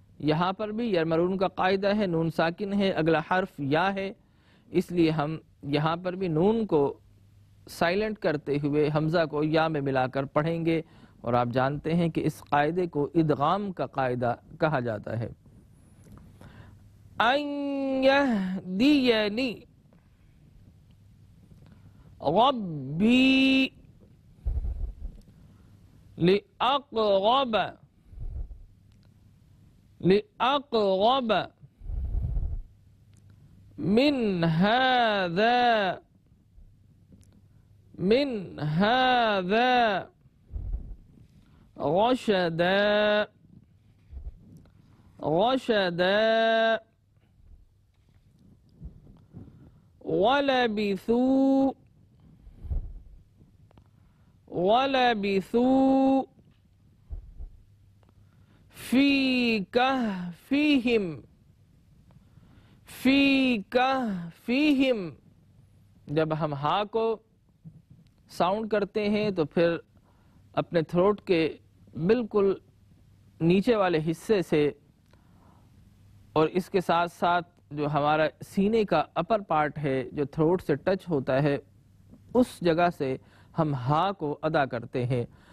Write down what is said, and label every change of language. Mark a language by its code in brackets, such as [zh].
[ur] یہاں پر بھی یرمرون کا قاعدہ ہے, نون ساکن ہے, اگلا حرف یا ہے, اس لیے ہم یہاں پر بھی نون کو سائلنٹ کرتے ہوئے حمزہ کو یا میں ملا کر پڑھیں گے. اور آپ جانتے ہیں کہ اس قاعدے کو ادغام کا قاعدہ کہا جاتا ہے. [ar] اَنْ يَهْدِيَنِي رَبِّي لِأَقْرَبَ لِأَقْرَبَ مِنْ هَذَا من هذا رشدا رشدا ولبثوا ولبثوا في كهفهم في كهفهم. [ur] جب ہم ہا کو ساؤنڈ کرتے ہیں تو پھر اپنے تھروٹ کے بالکل نیچے والے حصے سے اور اس کے ساتھ ساتھ جو ہمارا سینے کا اپر پارٹ ہے جو تھروٹ سے ٹچ ہوتا ہے اس جگہ سے ہم ہا کو ادا کرتے ہیں.